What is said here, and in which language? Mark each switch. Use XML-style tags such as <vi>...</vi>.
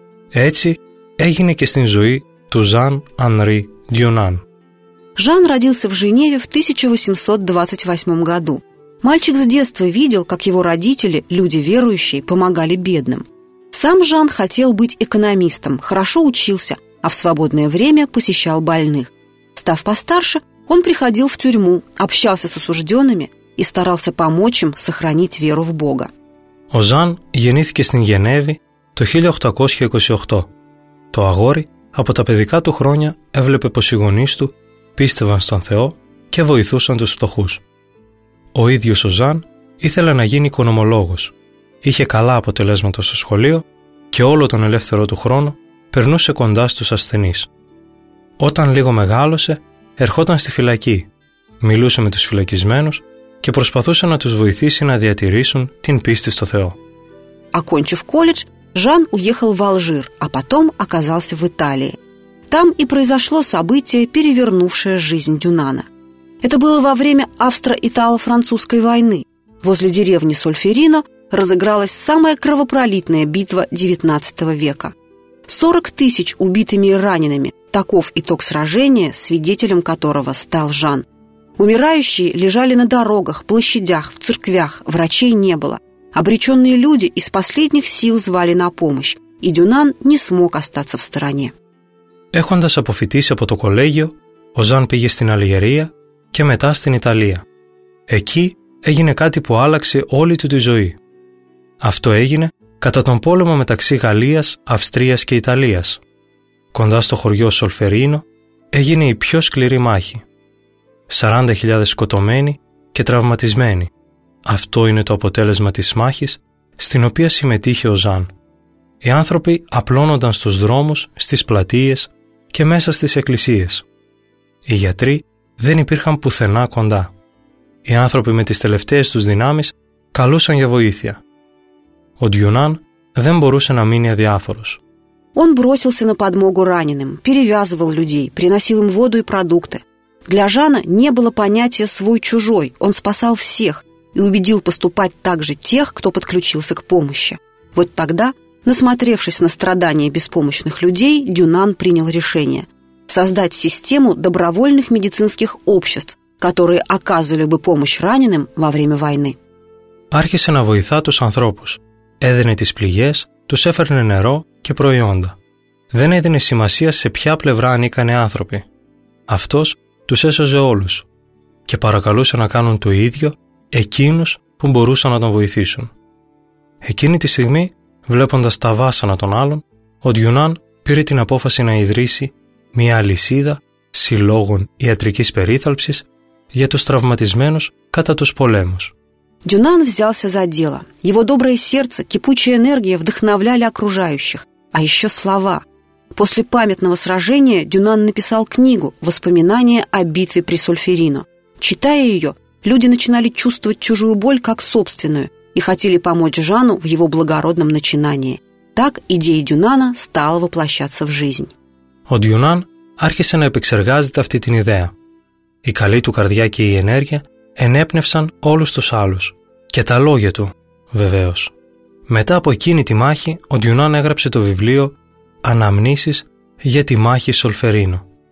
<el>Έτσι έγινε και στην ζωή του Ζαν Ανρί Дюнан.</el> <ru>Жан родился в Женеве в 1828 году. Мальчик с детства видел, как его родители, люди верующие, помогали бедным. Сам Жан хотел быть экономистом, хорошо учился, а в свободное время посещал больных. Став постарше, он приходил в тюрьму, общался с осужденными и старался помочь им сохранить веру в Бога.</ru> <el>Ο Ζαν γεννήθηκε στην Γενέβη το 1828. Το αγόρι από τα παιδικά του χρόνια έβλεπε πως οι γονείς του πίστευαν στον Θεό και βοηθούσαν τους φτωχούς. Ο ίδιος ο Ζαν ήθελε να γίνει οικονομολόγος. Είχε καλά αποτελέσματα στο σχολείο και όλο τον ελεύθερο του χρόνο περνούσε κοντά στους ασθενείς. Όταν λίγο μεγάλωσε, ερχόταν στη φυλακή, μιλούσε με τους φυλακισμένους και προσπαθούσε να τους βοηθήσει να διατηρήσουν την πίστη στο Θεό.</el> <ru>Окончив колледж, Жан уехал в Алжир, а потом оказался в Италии. Там и произошло событие, перевернувшее жизнь Дюнана. Это было во время Австро-Итало-Французской войны. Возле деревни Сольферино разыгралась самая кровопролитная битва XIX века. 40 тысяч убитыми и ранеными – таков итог сражения, свидетелем которого стал Жан. Умирающие лежали на дорогах, площадях, в церквях, врачей не было. Обреченные люди из последних сил звали на помощь, и Дюнан не смог остаться в стороне.</ru> <el>Έχοντας αποφοιτήσει από το κολέγιο, ο Ζαν πήγε στην Αλγερία και μετά στην Ιταλία. Εκεί έγινε κάτι που άλλαξε όλη του τη ζωή. Αυτό έγινε κατά τον πόλεμο μεταξύ Γαλλίας, Αυστρίας και Ιταλίας. Κοντά στο χωριό Σολφερίνο έγινε η πιο σκληρή μάχη. 40.000 σκοτωμένοι και τραυματισμένοι. Αυτό είναι το αποτέλεσμα της μάχης στην οποία συμμετείχε ο Ζαν. Οι άνθρωποι απλώνονταν στους δρόμους, στις πλατείες και μέσα στις εκκλησίες. Οι γιατροί δεν υπήρχαν πουθενά κοντά. Οι άνθρωποι με τις τελευταίες τους δυνάμεις καλούσαν για βοήθεια. Ο Дюнан δεν μπορούσε να μείνει αδιάφορος.</el> <ru>Он бросился на подмогу раненым, перевязывал людей, приносил им воду и продукты. Для Жана не было понятия «свой-чужой», он спасал всех и убедил поступать так же тех, кто подключился к помощи. Вот тогда Насмотревшись на страдания беспомощных людей, Дюнан принял решение создать систему добровольных медицинских обществ, которые оказывали бы помощь раненым во время войны.</ru> <el>Άρχισε να βοηθά τους ανθρώπους. Έδινε τις πληγές, τους έφερνε νερό και προϊόντα. Δεν έδινε σημασία σε ποια πλευρά ανήκανε άνθρωποι. Αυτός τους έσωζε όλους και παρακαλούσε να κάνουν το ίδιο εκείνους που μπορούσαν να τον βοηθήσουν. Εκείνη τη στιγμή, βλέποντας τα βάσανα των άλλων, ο Ντιουνάν πήρε την απόφαση να ιδρύσει μια αλυσίδα συλλόγων ιατρικής περίθαλψης για τους τραυματισμένους κατά τους πολέμους.</el> <ru>Дюнан взялся за дело. Его доброе сердце, кипучая энергия вдохновляли окружающих. А еще слова. После памятного сражения Дюнан написал книгу «Воспоминания о битве при Сольферино». Читая ее, люди начинали чувствовать чужую боль как собственную и хотели помочь Жану в его благородном начинании. Так идея Дюнана стала воплощаться в жизнь.</ru> <el>О Дюнан άρχισε να επεξεργάζεται αυτή την ιδέα. Η καλή του καρδιά και η ενέργεια ενέπνευσαν όλους τους άλλους. Και τα λόγια του, βεβαίως. Μετά από εκείνη τη μάχη, ο Ντιουνάν έγραψε το βιβλίο «Αναμνήσεις για τη μάχη Σολφερίνο».</el>